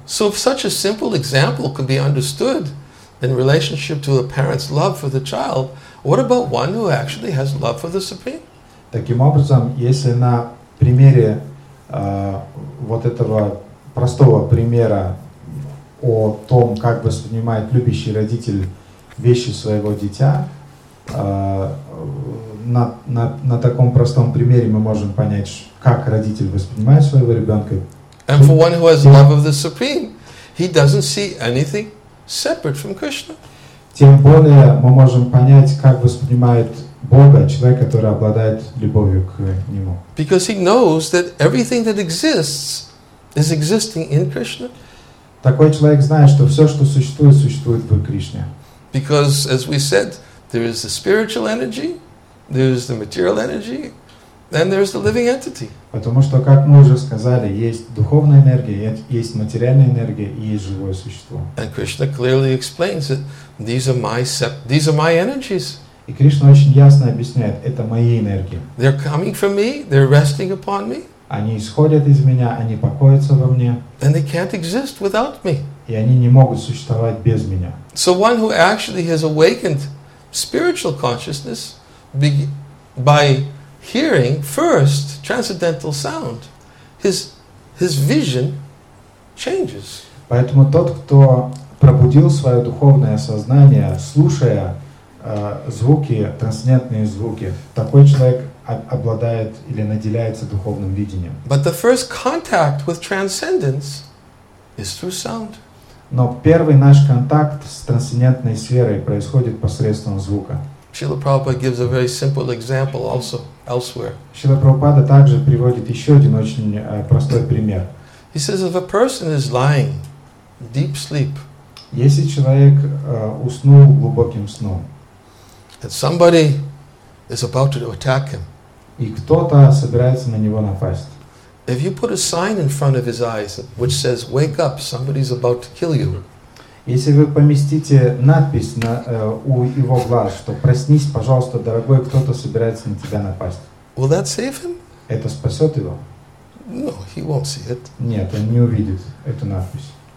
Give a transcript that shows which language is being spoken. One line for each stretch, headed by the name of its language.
English: So if such a simple example could be understood in relationship to a parent's love for the child, what about one who actually has love for the Supreme?
Russian: Таким образом, если на примере вот этого простого примера о том, как воспринимает любящий родитель вещи своего дитя, на таком простом примере мы можем понять, как родитель воспринимает своего ребенка.
English: And for one who has love of the Supreme, he doesn't see anything separate from Krishna.
Russian: Тем более мы можем понять, как воспринимает Бога человек, который обладает любовью к Нему.
English: Because he knows that everything that exists is existing in Krishna.
Russian: Такой человек знает, что все, что существует, существует в Кришне.
English: Because, as we said, there is the spiritual energy, there is the material energy, and there is the living entity.
Russian: Потому что, как мы уже сказали, есть духовная энергия, есть материальная энергия и есть живое существо.
English: And Krishna clearly explains that these are my energies.
Russian: И Кришна очень ясно объясняет, это мои энергии.
English: They're coming from me, they're resting upon me.
Russian: Они исходят из меня, они покоятся во мне.
English: And they can't exist without me.
Russian: И они не могут существовать без меня.
English: So one who actually has awakened spiritual consciousness by hearing first transcendental sound, his vision changes.
Russian: Поэтому тот, кто пробудил свое духовное сознание, слушая звуки, трансцендентные звуки, такой человек обладает или наделяется духовным видением.
English: But the first contact with transcendence is through sound.
Russian: Но первый наш контакт с трансцендентной сферой происходит посредством звука.
English: Srila Prabhupada gives a very simple example also elsewhere.
Russian: Srila Prabhupada также приводит еще один очень простой пример.
English: He says, if a person is lying deep sleep,
Russian: если человек уснул глубоким сном,
English: and somebody is about to attack him,
Russian: и кто-то собирается на него напасть,
English: if you put a sign in front of his eyes which says, wake up, somebody's about to kill you,
Russian: если вы поместите надпись на у его глаз, что проснись, пожалуйста, дорогой, кто-то собирается на тебя напасть,
English: will that save him?
Russian: Это спасет его?
English: No, he won't see it.
Russian: Нет, он не увидит эту надпись.